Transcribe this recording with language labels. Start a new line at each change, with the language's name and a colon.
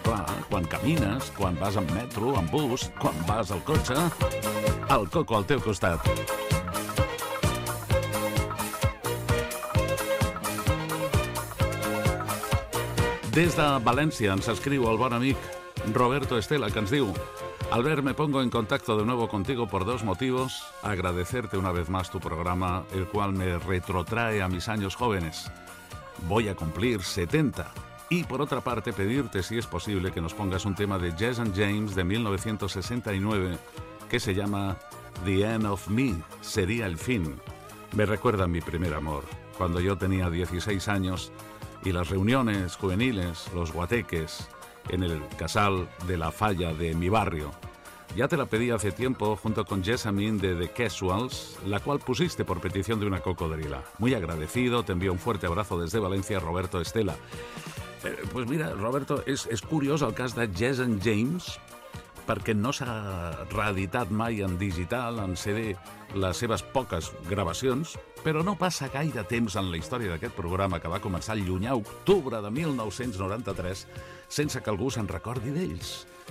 Catalan: Clar, quan camines, quan vas en metro, en bus, quan vas al cotxe... El Coco al teu costat. Des de València ens escriu el bon amic Roberto Estela, que ens diu...
Spanish: Albert, me pongo en contacto de nuevo contigo por dos motivos. Agradecerte una vez más tu programa, el cual me retrotrae a mis años jóvenes. Voy a cumplir 70. Y por otra parte, pedirte si es posible que nos pongas un tema de Jess and James de 1969 que se llama The End of Me, sería el fin. Me recuerda a mi primer amor, cuando yo tenía 16 años y las reuniones juveniles, los guateques, en el casal de la falla de mi barrio. Ya te la pedí hace tiempo junto con Jessamine de The Casuals, la cual pusiste por petición de una cocodrila. Muy agradecido, te envío un fuerte abrazo desde Valencia, Roberto Estela. Pues mira, Roberto, es curioso el
Catalan: cas de Jess and James, perquè no s'ha reeditat mai en digital, en CD, les seves poques gravacions, però no passa gaire temps en la història d'aquest programa, que va començar el llunyà octubre de 1993, sense que algú se'n recordi d'ells.